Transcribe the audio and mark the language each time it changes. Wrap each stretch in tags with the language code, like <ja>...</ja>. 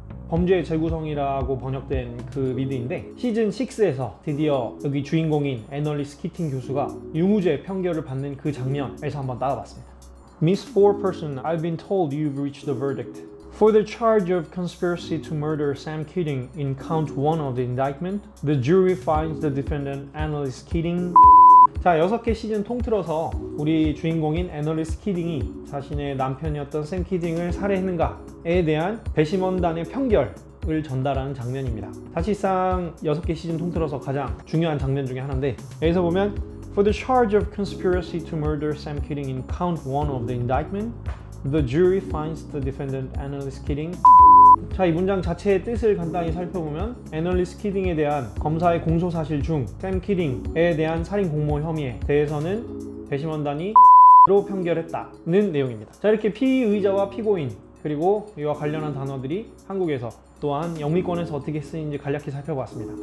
<ko>범죄의 재구성이라고 번역된 그 미드인데 시즌 6에서 드디어 여기 주인공인 애널리스 키팅 교수가 유무죄 판결을 받는 그 장면에서 한번 따라봤습니다.</ko> <en>Miss Foreperson, I've been told you've reached a verdict. For the charge of conspiracy to murder Sam Keating in count one of the indictment, the jury finds the defendant, Annalise Keating.</en> <ko>자, 여섯 개 시즌 통틀어서 우리 주인공인 애널리스 키딩이 자신의 남편이었던 샘 키딩을 살해했는가에 대한 배심원단의 판결을 전달하는 장면입니다. 사실상 여섯 개 시즌 통틀어서 가장 중요한 장면 중에 하나인데 여기서 보면</ko> <en>For the charge of conspiracy to murder Sam Keating in count one of the indictment, the jury finds the defendant Annalise Keating</en> <ko>자, 이 문장 자체의 뜻을 간단히 살펴보면 애널리스 키딩에 대한 검사의 공소사실 중 샘 키딩에 대한 살인 공모 혐의에 대해서는 배심원단이 X로 편결했다는 내용입니다. 자, 이렇게 피의자와 피고인 그리고 이와 관련한 단어들이 한국에서 또한 영미권에서 어떻게 쓰이는지 간략히 살펴봤습니다.</ko>